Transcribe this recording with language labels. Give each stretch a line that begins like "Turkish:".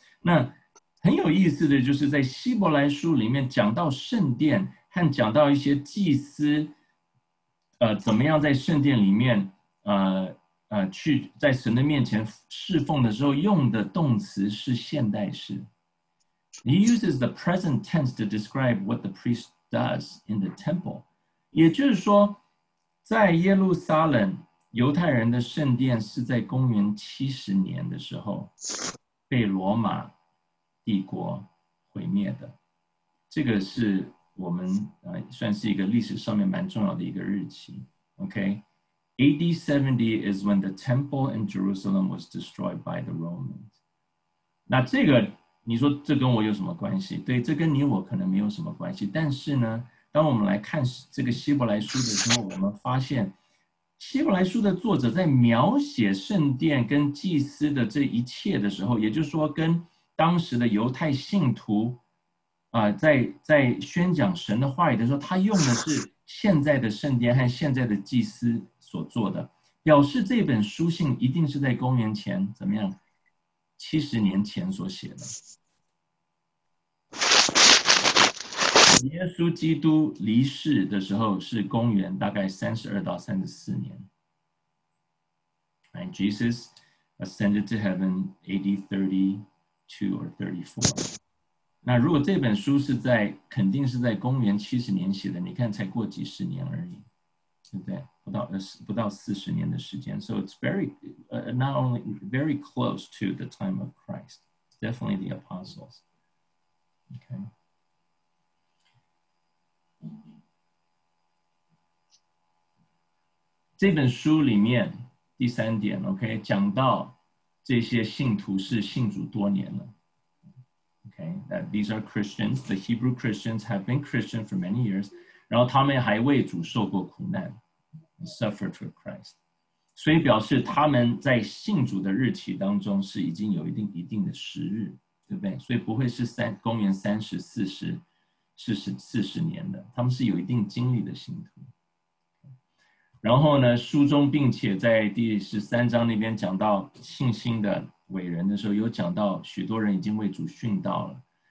Chinese: 那很有意思的就是在希伯来书里面讲到圣殿和讲到一些祭司，怎么样在圣殿里面，去在神的面前侍奉的时候用的动词是现代式。
English: He uses the present tense to describe what the priest does in the temple.
Chinese: 也就是说，在耶路撒冷，犹太人的圣殿是在公元70年的时候被罗马帝国毁灭的。这个是我们算是一个历史上面蛮重要的一个日期。
English: Okay? AD 70 is when the temple in Jerusalem was destroyed by the Romans.
Chinese: 那这个你说这跟我有什么关系？对，这跟你我可能没有什么关系。但是呢，当我们来看这个希伯来书的时候，我们发现希伯来书的作者在描写圣殿跟祭司的这一切的时候，也就是说跟当时的犹太信徒在宣讲神的话语的时候，他用的是现在的圣殿和现在的祭司所做的，表示这本书信一定是在公元前怎么样70年前所写的。耶稣基督离世的时候是公元大概32-34年。
English: And Jesus ascended to heaven AD 32 or 34.
Chinese: 那如果这本书是在肯定是在公元70年写的，你看才过几十年而已，对不对？不到40年的时间。
English: So it's very, not only very close to the time of Christ, definitely the apostles. Okay.
Chinese: 这本书里面第三点 okay, 讲到这些信徒是信主多年了。
English: Okay, that these are Christians, the Hebrew Christians have been Christian for many years,
Chinese: 然后他们还为主受过苦难。
English: Suffered for Christ.
Chinese: 所以表示他们在信主的日期当中是已经有一定的时日，对不对？所以不会是公元30、40年的，他们是有一定经历的信徒。然后呢，书中并且在第13章那边讲到信心的伟人的时候，有讲到许多人已经为主殉道了。